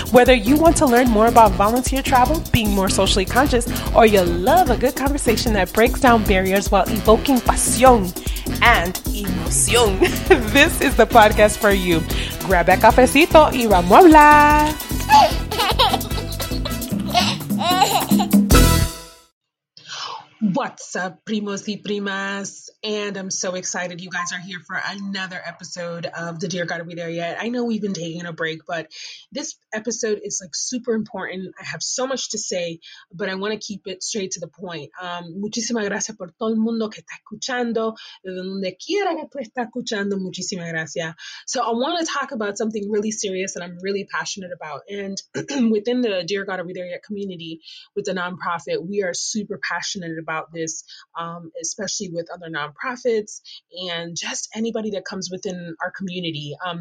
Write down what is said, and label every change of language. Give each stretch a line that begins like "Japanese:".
English: Whether you want to learn more about volunteer travel, being more socially conscious, or you love a good conversation that breaks down barriers while evoking pasión and emoción, this is the podcast for you. Grab a cafecito
Spanish: y vamos a hablar.
English: What's up,
Spanish: primos y primas?
English: And I'm so excited you guys are here for another episode of the Dear God Are We There Yet. I know we've been taking a break, but this episode is like super important. I have so much to say, but I want to keep it straight to the point.
Spanish: Muchísimas gracias por todo el mundo que está escuchando, de donde quiera que tú estás escuchando. Muchísimas gracias.
English: So I want to talk about something really serious that I'm really passionate about. And within the Dear God Are We There Yet community, with the nonprofit, we are super passionate about this, especially with other nonprofits and just anybody that comes within our community.